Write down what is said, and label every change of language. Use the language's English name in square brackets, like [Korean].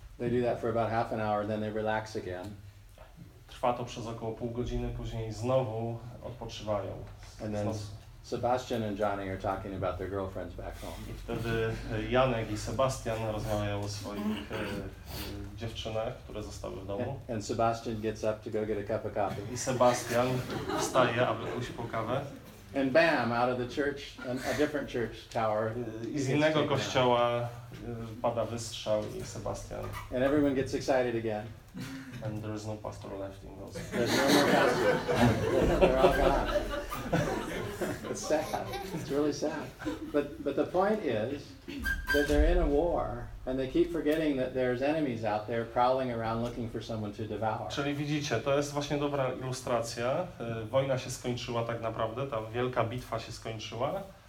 [English] They do that for about half an hour, then they relax again. [Polish] Trwa to przez około pół godziny, później znowu odpoczywają. [English] And then Sebastian and Johnny are talking about their girlfriends back home. [Polish] I wtedy Janek i Sebastian rozmawiają o swoich dziewczynach, które zostały w domu. [English] And Sebastian gets up to go get a cup of coffee. [Polish] I Sebastian wstaje, aby pójść po kawę. [English] And bam, out of the church, a different church tower. [Polish] I z innego kościoła pada wystrzał i Sebastian. [English] And everyone gets excited again. And there is no pastor left in those. There's no more pastor. They're all gone. It's sad. It's really sad. But the point is that they're in a war and they keep forgetting that there's enemies out there prowling around looking for someone to devour. [Polish] Czyli widzicie, to jest właśnie dobra ilustracja. Wojna się skończyła tak naprawdę, ta wielka bitwa się skończyła.